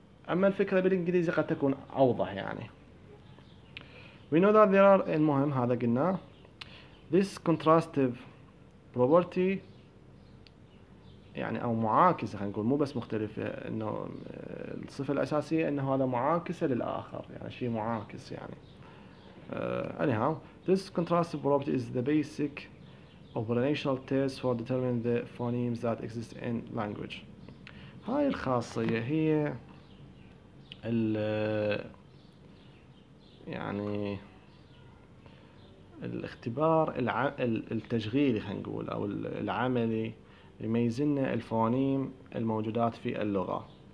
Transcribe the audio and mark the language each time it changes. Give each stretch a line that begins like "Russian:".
Arabic: اما الفكره بالانجليزي قد تكون اوضح. يعني
English: we know that there are،
Arabic: المهم هذا قلنا
English: this contrastive property،
Arabic: يعني او معاكسه خلينا نقول، مو بس مختلفه، انه الصفه الاساسيه انه هذا معاكسه للاخر، يعني شيء معاكس. يعني
English: anyhow this contrastive property is the basic operational test for determining the phonemes that exist in language.
Arabic: هاي الخاصيه هي ال يعني الاختبار التشغيلي خلينا نقول او العملي يميزنا الفونيم الموجودات في اللغة.